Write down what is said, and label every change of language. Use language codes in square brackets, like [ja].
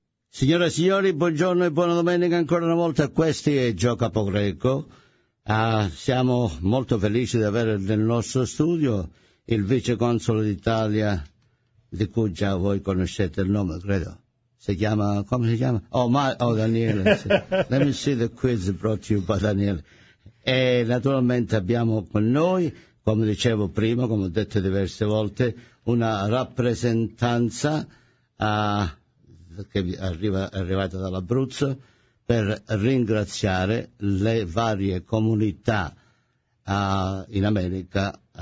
[it] Signore e signori, buongiorno e buona domenica ancora una volta a questi e Gio Capogreco. Siamo molto felici di avere nel nostro studio il viceconsolo d'Italia, di cui già voi conoscete il nome, credo. Si chiama, come si chiama? Daniele. [en] Let me see the quiz brought to you by Daniele. [it] E naturalmente abbiamo con noi, come dicevo prima, come ho detto diverse volte, una rappresentanza che è arrivata dall'Abruzzo per ringraziare le varie comunità in America,